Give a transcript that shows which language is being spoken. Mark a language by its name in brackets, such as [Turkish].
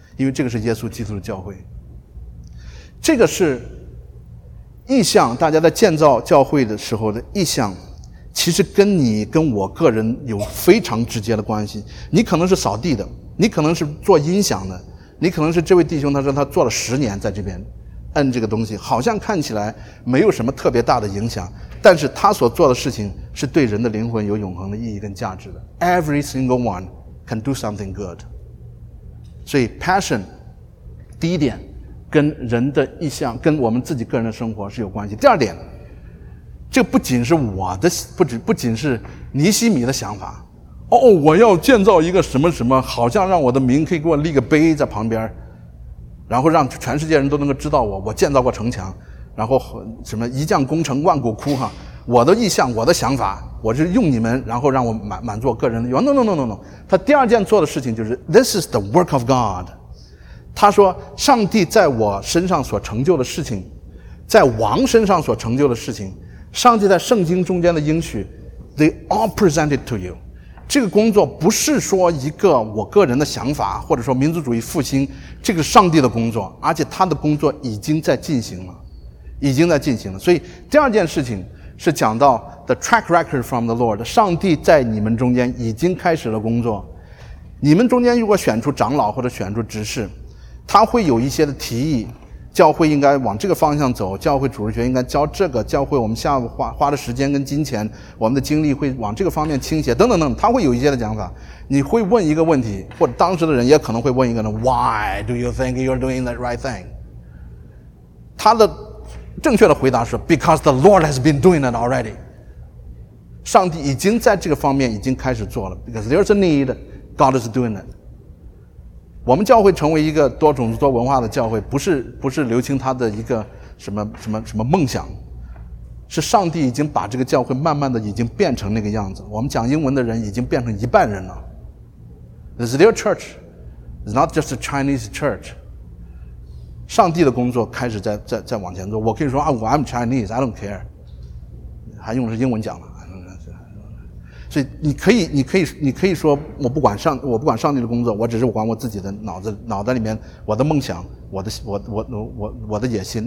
[Chinese] 因为这个是耶稣基督的教会。这个是意象，大家在建造教会的时候的意象，其实跟你跟我个人有非常直接的关系。你可能是扫地的，你可能是做音响的，你可能是这位弟兄，他说他做了十年在这边。摁这个东西好像看起来没有什么特别大的影响，但是他所做的事情是对人的灵魂有永恒的意义跟价值的。 [English] Every single one can do something good. [Chinese] 所以 passion 第一点跟人的意向，跟我们自己个人的生活是有关系。第二点，这不仅是我的，不仅是尼西米的想法。哦，我要建造一个什么什么，好像让我的名可以给我立个碑在旁边，然后让全世界人都能够知道我建造过城墙，然后什么一将功成万骨枯哈，我的意向，我的想法，我是用你们，然后让我满足个人的愿望。 [English] No. [Chinese] 他第二件做的事情就是 [English] This is the work of God. [Chinese] 他说上帝在我身上所成就的事情，在王身上所成就的事情，上帝在圣经中间的应许 [English] They all presented to you. [Chinese] 这个工作不是说一个我个人的想法，或者说民族主义复兴，这个是上帝的工作，而且他的工作已经在进行了。所以第二件事情是讲到 [English] the track record from the Lord， [Chinese] 上帝在你们中间已经开始了工作。你们中间如果选出长老或者选出执事，他会有一些的提议，教会应该往这个方向走，教会主日学应该教这个，教会我们下午花的时间跟金钱，我们的精力会往这个方面倾斜，等等，他会有一些的讲法。你会问一个问题，或者当时的人也可能会问一个人 ， [English] Why do you think you're doing the right thing？ [Chinese] 他的正确的回答是 [English] ，Because the Lord has been doing it already。 [Chinese] 上帝已经在这个方面已经开始做了 ， [English] Because there's a need, God is doing it。 [Chinese] 我们教会成为一个多种族多文化的教会，不是刘青他的一个什么什么什么梦想，是上帝已经把这个教会慢慢的已经变成那个样子。我们讲英文的人已经变成一半人了。 [English] It's their church, it's not just a Chinese church. [Chinese] 上帝的工作开始在往前做。我可以说啊，我 [English] I'm Chinese, I don't care， [Chinese] 还用的是英文讲吗？所以你可以说我不管上帝的工作，我只是管我自己的脑袋里面我的梦想，我的野心。